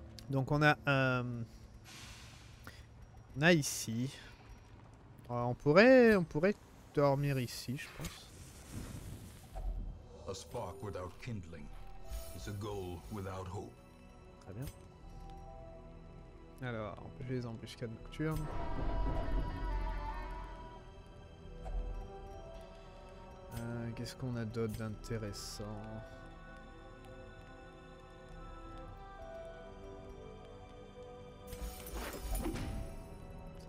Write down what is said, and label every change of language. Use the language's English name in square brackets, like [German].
[French] Donc on a... On a ici. On pourrait dormir ici, je pense. [English] A spark without kindling is a goal without hope. [French] Très bien. Alors, j'ai les embuscades nocturnes. Qu'est-ce qu'on a d'autre d'intéressant ?